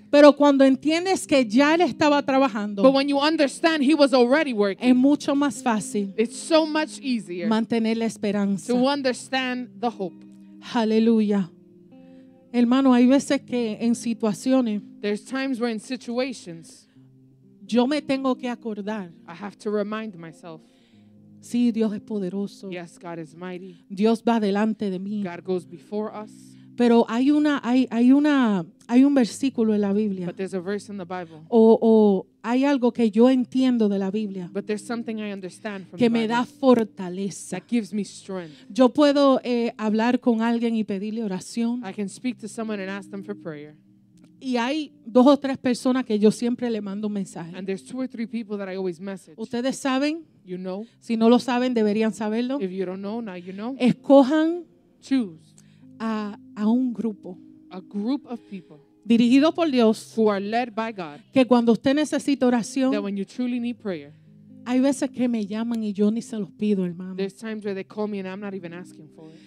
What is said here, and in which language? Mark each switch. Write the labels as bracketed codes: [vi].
[es] Pero cuando entiendes que ya Él estaba trabajando, [en] but when you understand he was already working, [es] es mucho más fácil, [en] it's so much easier [es] mantener la esperanza, [en] to understand the hope. [es] Aleluya. Hermano, hay veces que en situaciones, [en] there's times where in situations, [es] yo me tengo que acordar, [en] I have to remind myself, [es] sí, Dios es poderoso. [en] Yes, God is mighty. [es] Dios va delante de mí. [en] God goes before us. [es] Pero hay un versículo en la Biblia. [en] But there's a verse in the Bible. [es] O hay algo que yo entiendo de la Biblia. [en] But there's something I understand from [es] que [en] the Bible. [es] Me da fortaleza. [en] That gives me strength. [es] Yo puedo hablar con alguien y pedirle oración. [en] I can speak to someone and ask them for prayer. [es] Y hay dos o tres personas que yo siempre le mando mensajes. [en] And there's two or three people that I always message. [es] Ustedes saben. [en] You know. [es] Si no lo saben, deberían saberlo. [en] If you don't know, now you know. [es] Escojan. [en] Choose. [es] A un grupo. [en] A group of people. [es] Dirigido por Dios. [en] Who are led by God. [es] Que cuando usted necesita oración. [en] That when you truly need prayer. [es] Hay veces que me llaman y yo ni se los pido, hermano. [en] There's times where they call me and I'm not even asking for it.